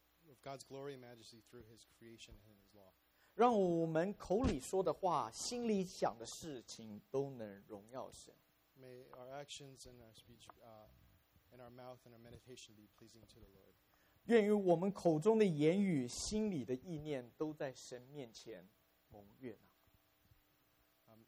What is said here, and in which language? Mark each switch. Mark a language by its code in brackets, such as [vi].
[en] Of God's glory and majesty through His creation and His law. [zh] 让我们口里说的话，心里想的事情都能荣耀神。 [en] May our actions and our speech, and our mouth and our meditation be pleasing to the Lord. [zh] 愿与我们口中的言语、心里的意念都在神面前蒙悦纳。